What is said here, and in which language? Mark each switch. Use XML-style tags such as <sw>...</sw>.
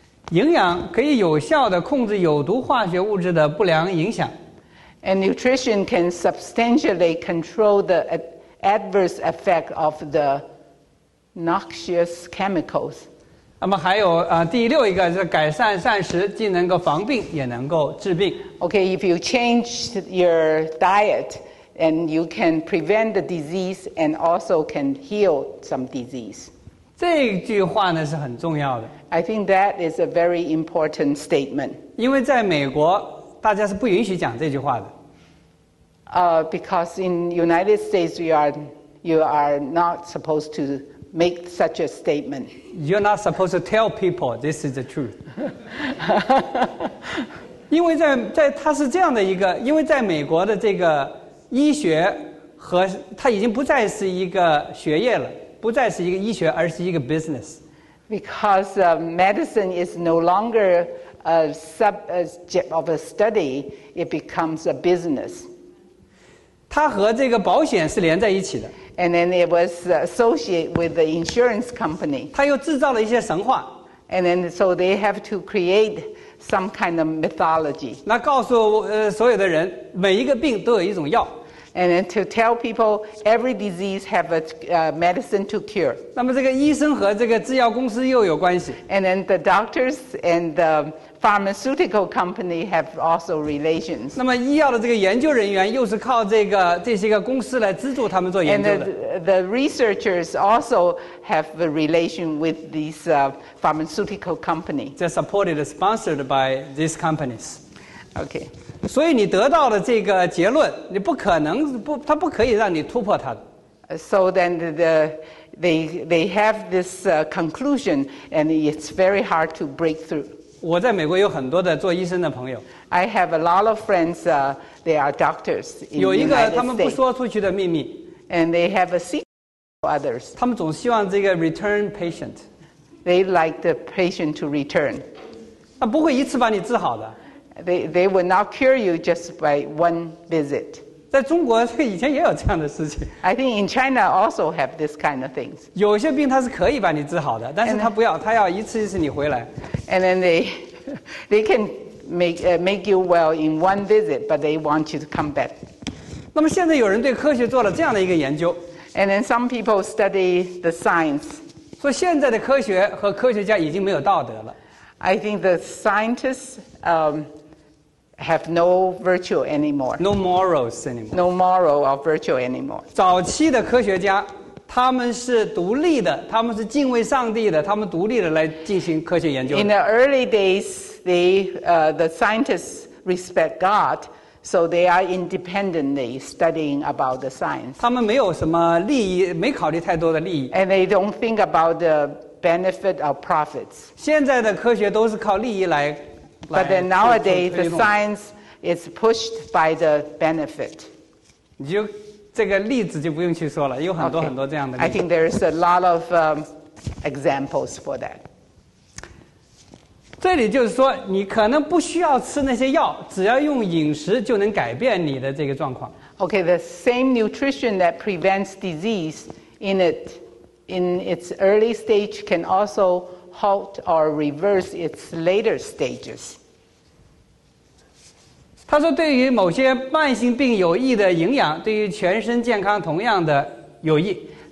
<zh>营养可以有效地控制有毒化学物质的不良影响。</zh> <en>And nutrition can substantially control the adverse effect of the noxious chemicals.</en> <zh>那么还有第六一个是改善膳食，既能够防病，也能够治病。</zh> <en>Okay, if you change your diet, and you can prevent the disease, and also can heal some disease.</en> <zh>这句话呢是很重要的。</zh> <en>I think that is a very important statement.</en> <zh>因为在美国，大家是不允许讲这句话的。</zh> <en>Because in United States, you are not supposed to make such a statement. You're not supposed to tell people this is the truth.</en> <zh>因为在它是这样的一个，因为在美国的这个医学和它已经不再是一个学业了，不再是一个医学，而是一个 business.</zh> <en>Because medicine is no longer a subject of a study, it becomes a business.</en> <zh>它和这个保险是连在一起的。</zh> <en>And then it was associated with the insurance company.</en> <zh>它又制造了一些神话。</zh> <en>And then so they have to create some kind of mythology.</en> <zh>那告诉所有的人，每一个病都有一种药。</zh> <en>And then to tell people every disease have a medicine to cure.</en> <zh>那么这个医生和这个制药公司又有关系。</zh> <en>And then the doctors and the pharmaceutical company have also relations.</en> <zh>那么医药的这个研究人员又是靠这些个公司来资助他们做研究的。</zh> <en>And the researchers also have a relation with these pharmaceutical company. They're supported and sponsored by these companies. Okay.</en> <zh>所以你得到的这个结论，你不可能不，它不可以让你突破它的。</zh> <en>So then they have this conclusion, and it's very hard to break through.</en> <zh>我在美国有很多的做医生的朋友。</zh> <en>I have a lot of friends. They are doctors in the United States.</en> <zh>有一个他们不说出去的秘密。</zh> <en>And they have a secret for others.</en> <zh>他们总希望这个</zh> <en>return patient. They like the patient to return.</en> <zh>那不会一次把你治好的。</zh> <en>They will not cure you just by one visit.</en> <zh>在中国以前也有这样的事情。</zh> <en>I think in China also have this kind of things.</en> <zh>有些病它是可以把你治好的，但是它不要，它要一次一次你回来。</zh> <en>And then they can make you well in one visit, but they want you to come back.</en> <zh>那么现在有人对科学做了这样的一个研究。</zh> <en>And then some people study the science.</en> <zh>说现在的科学和科学家已经没有道德了。</zh> <en>I think the scientists have no virtue anymore. No morals anymore. No moral or virtue anymore.</en> <zh>早期的科学家，他们是独立的，他们是敬畏上帝的，他们独立的来进行科学研究。</zh> <en>In the early days, the scientists respect God, so they are independently studying about the science.</en> <zh>他们没有什么利益，没考虑太多的利益。</zh> <en>And they don't think about the benefit of profits.</en> <zh>现在的科学都是靠利益来。</zh> <en>But then nowadays, the science is pushed by the benefit.</en> <zh>你就这个例子就不用去说了，有很多很多这样的例子。</zh> <en>I think there is a lot of examples for that.</en> <zh>这里就是说，你可能不需要吃那些药，只要用饮食就能改变你的这个状况。</zh> <en>Okay, the same nutrition that prevents disease in its early stage can also halt or reverse its later stages.</en> <zh>他说对于某些慢性病有益的营养，对于全身健康同样的有益。</zh>